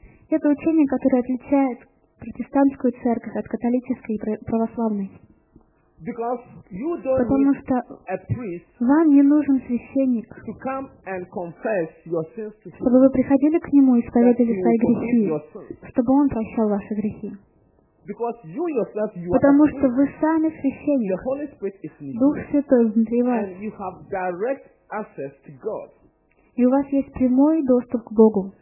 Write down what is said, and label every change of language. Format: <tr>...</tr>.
<ru>Это учение, которое отличает протестантскую церковь от католической и православной.</ru> <en>Because you don't</en> <ru>Потому что</ru> <en>need a priest</en> <ru>вам не нужен священник,</ru> <en>to come and confess your sins to him,</en> <ru>чтобы вы приходили к нему и исповедовали свои грехи, чтобы он прощал ваши грехи.</ru> <en>Because you yourself, you</en> <ru>Потому</ru> <en>are</en> <ru>что вы сами священник.</ru> <en>The Holy Spirit is in</en> <ru>Дух Святой внутри вас.</ru> <en>And you have direct access to God.</en> <ru>И у вас есть прямой доступ к Богу.</ru>